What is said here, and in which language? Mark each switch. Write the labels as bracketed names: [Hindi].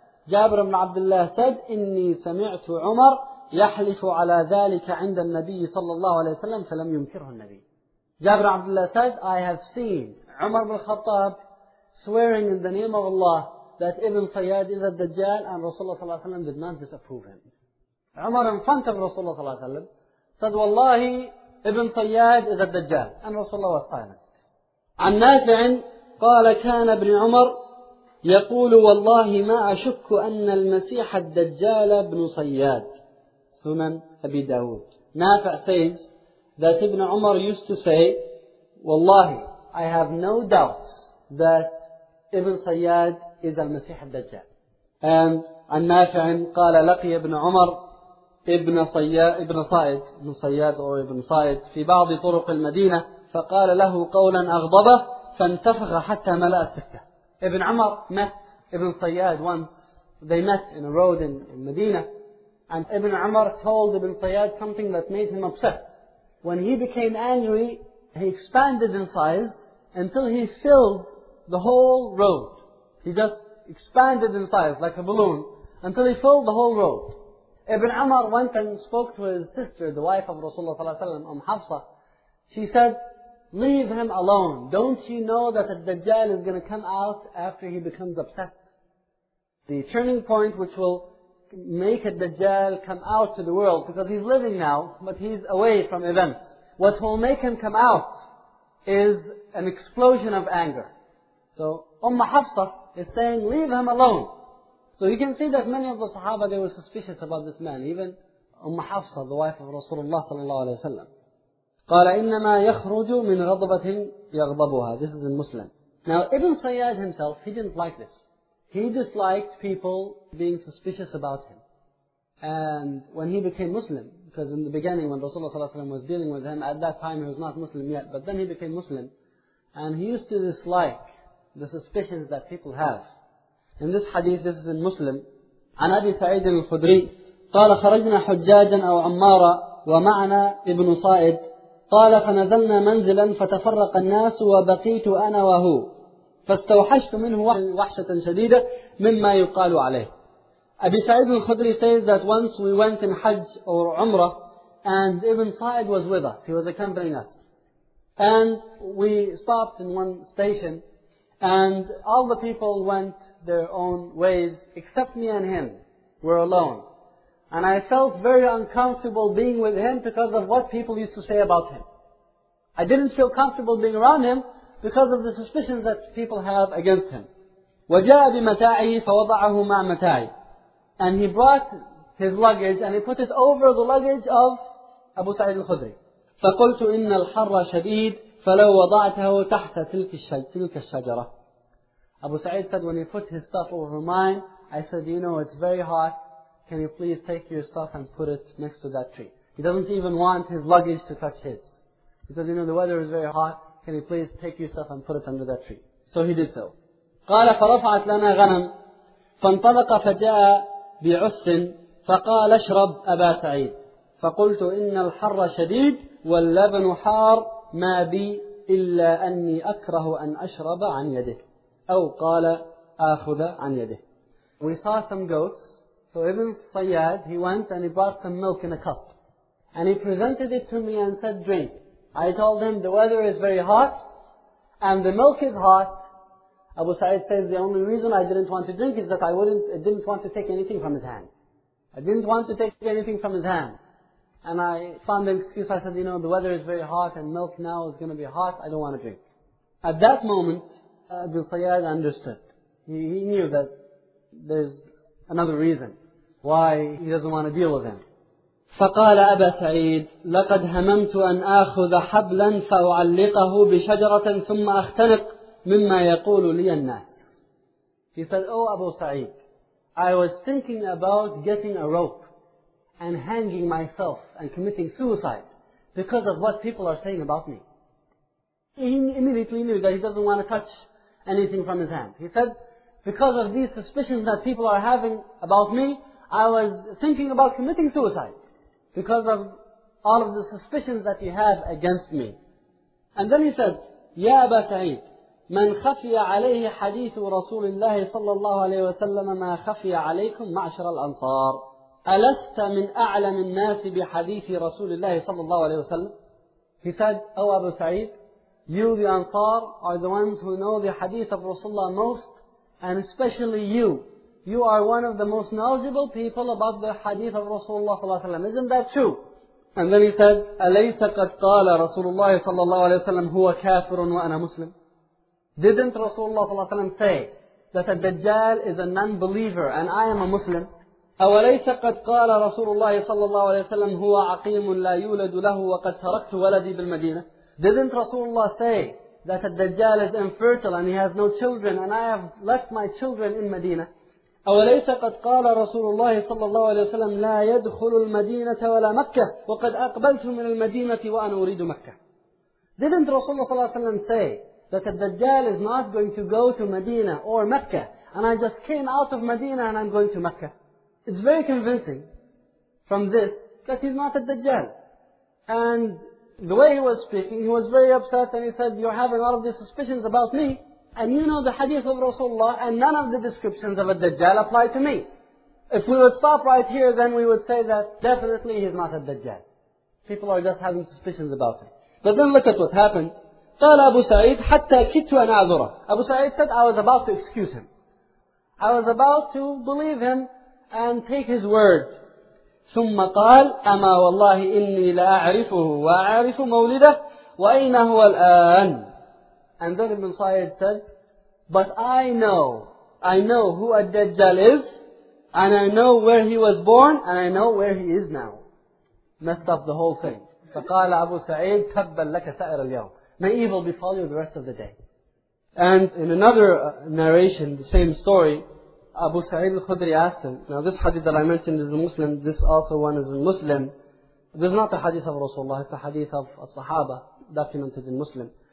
[English] Jabir ibn Abdullah said, [Arabic] إِنِّي سَمِعْتُ عُمَرْ يَحْلِفُ عَلَى ذَلِكَ عِنْدَ النَّبِيِّ صَلَّى اللَّهُ عَلَيْهِ وَسَلَّمْ فَلَمْ يُمْكِرْهُ النَّبِيِّ [English] Jabir ibn Abdullah said, I have seen Umar ibn Khattab swearing in the name of Allah that Ibn Sayyad is a Dajjal, and Rasulullah ﷺ did not disapprove him. Umar in front of Rasulullah ﷺ said, Wallahi, Ibn Sayyad is a Dajjal, and Rasulullah was silent. [Arabic] عن نافع قال كان ابن عمر يقول والله ما أشك أن المسيح الدجال ابن صياد سنن أبي داود. [English] نافع says that Ibn Umar used to say, Wallahi, I have no doubt that Ibn Sayyad is al-Masih al-Dajjal. And al-Nafi'in [Arabic] قال لقي ابن عمر ابن صياد ابن صائد ابن صياد أو ابن صائد في بعض طرق المدينة فقال له قولا أغضبه فانتفخ حتى ملأ السكة. [English] Ibn Umar met Ibn Sayyad once. They met in a road in Medina. And Ibn Umar told Ibn Sayyad something that made him upset. When he became angry, he expanded in size until he filled the whole road. He just expanded in size like a balloon until he filled the whole road. Ibn Umar went and spoke to his sister, the wife of Rasulullah ﷺ, Umm Hafsa. She said, leave him alone. Don't you know that the Dajjal is going to come out after he becomes upset? The turning point which will make a Dajjal come out to the world, because he's living now, but he's away from events. What will make him come out is an explosion of anger. So Umm Hafsa is saying, leave him alone. So you can see that many of the Sahaba, they were suspicious about this man. Even Umm Hafsa, the wife of Rasulullah sallallahu alayhi wa sallam. [Arabic] قال إنما يخرج من غضبة يغضبها. [English] This is in Muslim. Now Ibn Sayyad himself, he didn't like this. He disliked people being suspicious about him. And when he became Muslim, because in the beginning when Rasulullah ﷺ was dealing with him, at that time he was not Muslim yet, but then he became Muslim. And he used to dislike the suspicions that people have. In this hadith, this is in Muslim. [Arabic] عن أبي سعيد الخدري قال خرجنا حجاجا أو عمارا ومعنا ابن صائد قال فنزلنا منزلا فتفرق الناس وبقيت أنا وهو فاستوحشت منه وحشة شديدة مما يقال عليه. [English] أبي سعيد الخدري says that once we went in Hajj or Umrah and Ibn Sa'id was with us, he was accompanying us. And we stopped in one station and all the people went their own ways except me and him. We're alone. And I felt very uncomfortable being with him because of what people used to say about him. I didn't feel comfortable being around him because of the suspicions that people have against him. [Arabic] وَجَاءَ بِمَتَاعِهِ فَوَضَعَهُ مَعْ مَتَاعِهِ [English] And he brought his luggage and he put it over the luggage of Abu Sa'id al-Khudri. [Arabic] فَقُلْتُ إِنَّ الْحَرَّ شَدِيدٌ فَلَوْ وَضَعْتَهُ تَحْتَ تِلْكَ الشَّجَرَةِ [English] Abu Sa'id said, when he put his stuff over mine, I said, you know, it's very hot. Can you please take your stuff and put it next to that tree? He doesn't even want his luggage to touch his. He says, you know, the weather is very hot. Can you please take your stuff and put it under that tree? So he did so. [Arabic] قال فرفعت لنا غنم فانطلق فجاء بعس فقال اشرب أبا سعيد فقلت إن الحر شديد واللبن حار ما بي إلا أني أكره أن أشرب عن يده أو قال آخذ عن يده. [English] We saw some goats. So Ibn Sayyad, he went and he brought some milk in a cup. And he presented it to me and said, drink. I told him, the weather is very hot, and the milk is hot. Abu Sa'id says, the only reason I didn't want to drink is that I didn't want to take anything from his hand. I didn't want to take anything from his hand. And I found an excuse. I said, you know, the weather is very hot and milk now is going to be hot. I don't want to drink. At that moment, Abu Sayyad understood. He knew that there's another reason why he doesn't want to deal with him. [Arabic] فقال أبا سعيد لقد هممت أن آخذ حبلا فأعلقه بشجرة ثم أختنق مما يقول لي الناس. [English] He said, oh Abu Sa'id, I was thinking about getting a rope and hanging myself and committing suicide because of what people are saying about me. He immediately knew that he doesn't want to touch anything from his hand. He said, because of these suspicions that people are having about me, I was thinking about committing suicide because of all of the suspicions that you have against me. And then he said, [Arabic] يا أبا سعيد من خفي عليه حديث رسول الله صلى الله عليه وسلم ما خفي عليكم معشر الأنصار ألست من أعلم الناس بحديث رسول الله صلى الله عليه وسلم. [English] He said, oh Abu Sa'id, you the Ansar are the ones who know the hadith of Rasulullah most, and especially you. You are one of the most knowledgeable people about the hadith of Rasulullah صلى الله عليه وسلم. Isn't that true? And then he said, [Arabic] أليس قد قال رسول الله صلى الله عليه وسلم هو كافر وأنا مسلم. [English] Didn't Rasulullah صلى الله عليه وسلم say that a Dajjal is a non-believer and I am a Muslim? [Arabic] أوليس قد قال رسول الله صلى الله عليه وسلم هو عقيم لا يولد له وقد تركت ولدي بالمدينة. [English] Didn't Rasulullah say that a Dajjal is infertile and he has no children and I have left my children in Medina? [Arabic] أوليس قد قال رسول الله صلى الله عليه وسلم لا يدخل المدينة ولا مكة وقد أقبلت من المدينة وأنا أريد مكة. [English] Didn't Rasulullah صلى الله عليه وسلم say that a Dajjal is not going to go to Medina or Mecca, and I just came out of Medina and I'm going to Mecca? It's very convincing from this that he's not a Dajjal. And the way he was speaking, he was very upset and he said, you're having all of these suspicions about me, and you know the hadith of Rasulullah, and none of the descriptions of a Dajjal apply to me. If we would stop right here, then we would say that definitely he's not a Dajjal. People are just having suspicions about him. But then look at what happened. [Arabic] قال أبو سعيد حتى كدت أن أعذره. [English] Abu Sa'id said, I was about to excuse him. I was about to believe him and take his word. [Arabic] ثم قال أما والله إني لأعرفه وأعرف مولده وأين هو الآن. [English] And then Ibn Sa'id said, but I know who Ad-Dajjal is, and I know where he was born, and I know where he is now. Messed up the whole thing. [Arabic] فقال أبو سعيد تبا لك سائر اليوم. [English] May evil befall you the rest of the day. And in another narration, the same story, Abu Sa'id al-Khudri asked him, now this hadith that I mentioned is a Muslim, this also one is a Muslim. This is not a hadith of Rasulullah, it's a hadith of a Sahaba documented in Muslim.